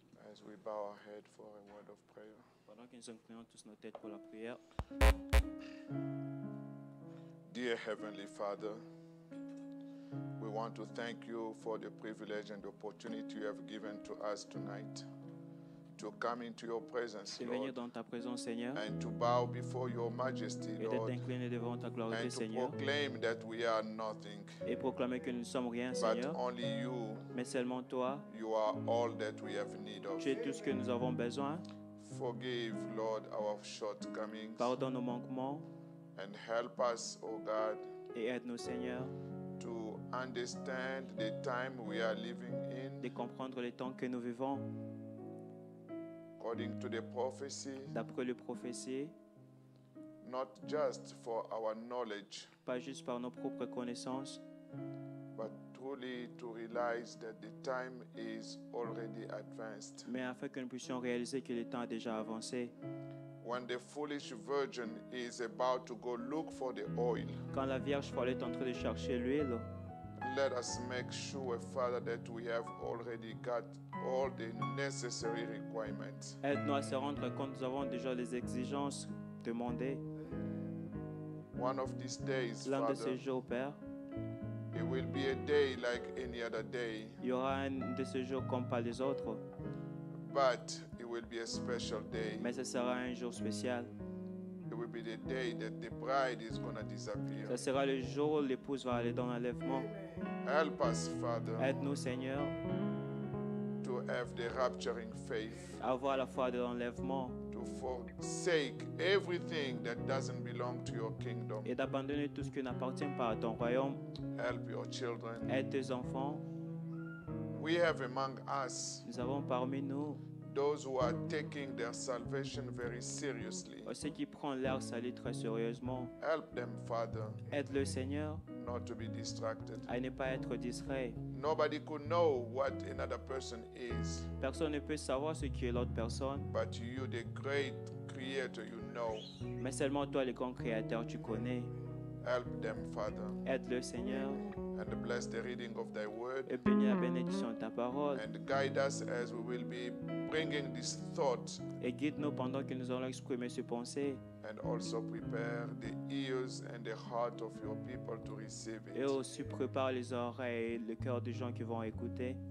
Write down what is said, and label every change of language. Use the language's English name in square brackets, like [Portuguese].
[English] as we bow our head for a word of prayer. [French] Pendant que nous inclinons tous nos têtes pour la prière. [English] Dear Heavenly Father, we want to thank you for the privilege and the opportunity you have given to us tonight to come into your presence, [French] de venir dans ta présence, Seigneur, [English] and to bow before your majesty, [French] et d'être incliné devant ta gloire, [English] Seigneur, and to proclaim that we are nothing, [French] et proclamer que nous ne sommes rien, [English] but [French] Seigneur, [English] only you, [French] mais seulement toi, [English] you are all that we have need of. [French] Tu es tout ce que nous avons besoin. [English] Forgive, Lord, our shortcomings, [French] pardonne nos manquements, [English] and help us, O God, [French] et aide-nous, Seigneur, [English] to understand the time we are living in, [French] de comprendre le temps que nous vivons. [English] According to the prophecy, [French] d'après les prophéties, [English] not just for our knowledge, [French] pas juste par nos propres connaissances, [English] but truly to realize that the time is already advanced. [French] Mais afin que nous puissions réaliser que le temps a déjà avancé. [English] When the foolish virgin is about to go look for the oil, [French] quand la vierge folle est en train de chercher l'huile, [English] let us make sure, Father, that we have already got all the necessary requirements. [French] Aide-nous à se rendre compte que nous avons déjà les exigences demandées. [English] One of these days, [French] l'un [English] Father, [French] de ces jours, Père, [English] it will be a day like any other day. [French] Il y aura un de ces jours comme pas les autres. [English] But it will be a special day. [French] Mais ce sera un jour spécial. [English] It will be the day that the bride is going to disappear. [French] Ce sera le jour où l'épouse va aller dans l'enlèvement. [English] Help us, Father. [French] Aide-nous, Seigneur. [English] To have the rapturing faith. [French] Avoir la foi de l'enlèvement. [English] To forsake everything that doesn't belong to your kingdom. [French] Et d'abandonner tout ce qui n'appartient pas à ton royaume. [English] Help your children. [French] Aide tes enfants. [English] We have among us. [French] Nous avons parmi nous. [English] Those who are taking their salvation very seriously. [French] Ceux qui prennent leur salut très sérieusement. [English] Help them, Father. [French] Aide le Seigneur. [English] Not to be distracted. [French] À ne pas être distrait. [English] Nobody could know what another person is. [French] Personne ne peut savoir ce qu'est l'autre personne. [English] But you, the great creator, you know. [French] Mais seulement toi, le grand créateur, tu connais. [English] Help them, Father. [French] Aide le Seigneur. [English] And bless the reading of thy word. [French] Et bénis la bénédiction de ta parole. [English] And guide us as we will be bringing this thought. [French] Et guide-nous pendant que nous allons exprimer ces pensées. [English] And also prepare the ears and the heart of your people to receive it. [French] Et aussi prépare les oreilles et le cœur des gens qui vont écouter.